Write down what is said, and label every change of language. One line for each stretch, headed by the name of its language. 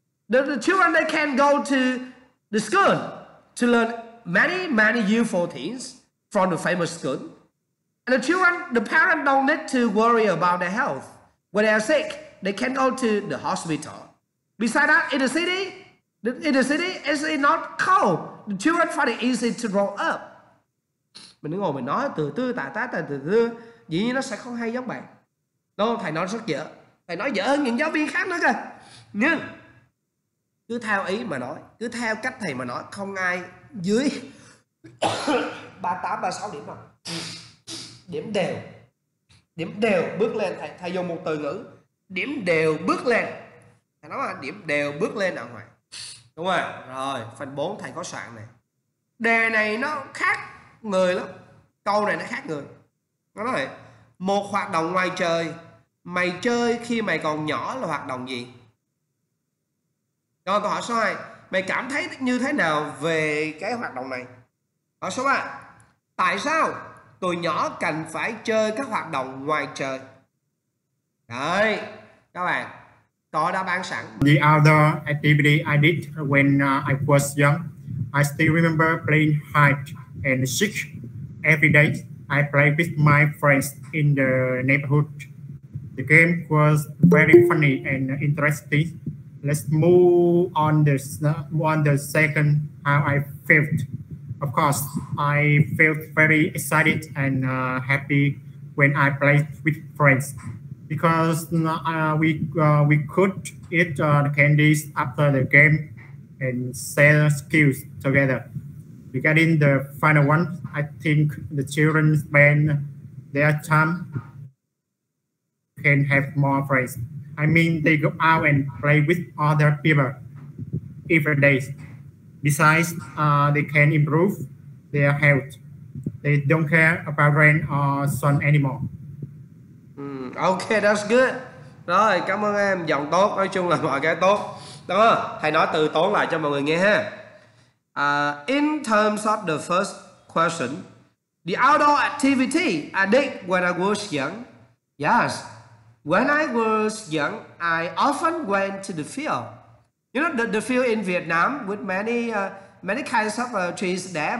English: The children, they can go to the school to learn many, many useful things from the famous school. And the children, the parents don't need to worry about their health. When they are sick, they can go to the hospital. Besides that, in the city, it's not cold. The children find it easy to grow up.
Vietnamese: Mình ngồi mình nói từ từ tạ tá tạ từ từ. Dĩ nhiên nó sẽ không hay giống bạn. Đâu, thầy nói rất dở. Thầy nói dở hơn những giáo viên khác nữa cơ. Nhưng cứ theo ý mà nói, cứ theo cách thầy mà nói, không ai dưới 38, 36 điểm mà. Điểm đều bước lên. Thầy dùng một từ ngữ. Điểm đều bước lên. Thầy nói là điểm đều bước lên ở ngoài. Đúng rồi. Rồi, phần 4 thầy có soạn này. Đề này nó khác người lắm. Câu này nó khác người. Nó nói một hoạt động ngoài trời mày chơi khi mày còn nhỏ là hoạt động gì? Rồi câu hỏi số 2, mày cảm thấy như thế nào về cái hoạt động này? Hỏi số 3, tại sao tụi nhỏ cần phải chơi các hoạt động ngoài trời? Đấy, các bạn có đáp án sẵn.
English: The other activity I did when I was young, I still remember playing hide and seek every day. I played with my friends in the neighborhood. The game was very funny and interesting. Let's move on the second how I felt. Of course, I felt very excited and happy when I played with friends because we could eat the candies after the game and share skills together. Regarding the final one, I think the children spend their time can have more friends. I mean, they go out and play with other people every day. Besides, they can improve their health. They don't care about rain or sun anymore. Okay, that's good.
Vietnamese: Rồi, cảm ơn em. Giọng tốt, nói chung là mọi cái tốt. Đó, thầy nói từ tốn lại cho mọi người nghe ha.
English: In terms of the first question, the outdoor activity I did when I was young. Yes, when I was young, I often went to the field. You know, the field in Vietnam with many many kinds of trees there.